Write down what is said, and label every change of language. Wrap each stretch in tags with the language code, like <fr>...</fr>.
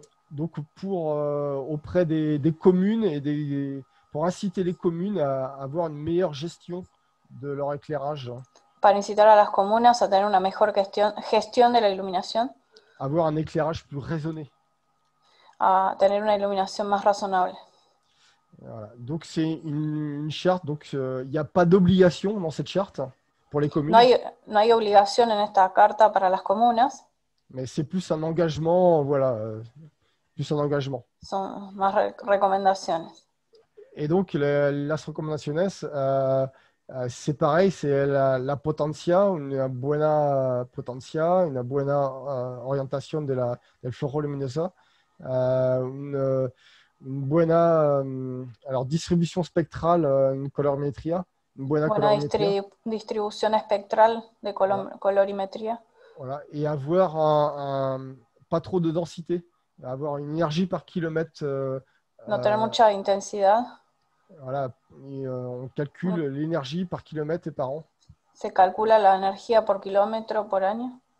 <fr>Donc pour auprès des communes et pour inciter les communes à avoir une meilleure gestion de leur éclairage.</fr> <es>Para incitar a las comunas a tener una mejor gestión de la iluminación.</es> <fr>Avoir un éclairage plus raisonné.</fr> <es>A tener una iluminación más razonable.</es> <fr>Voilà. Donc c'est une charte. Donc il n'y a pas d'obligation dans cette charte pour les communes.</fr> <es>No hay obligación en esta carta para las comunas.</es> <fr>Mais c'est plus un engagement, voilà. Plus un engagement.</fr> <es>Son más recomendaciones.</es> <fr>Et donc,</fr> <es>las recomendaciones,</es> <fr>c'est pareil, c'est la</fr> <es>potencia, una buena potencia, una buena orientación de del flujo luminoso, una buena</es> <fr>alors, distribution spectrale, une</fr> <es>colorimetría. Una buena colorimetría. Distribución espectral de colorimetría.</es> <fr>Voilà. Et avoir pas trop de densité. Avoir une énergie par kilomètre.</fr> <es>No tener mucha intensidad.</es> <fr>Voilà, on calcule l'énergie par kilomètre et par an.</fr> <es>Se calcula la energía por kilómetro por año.</es>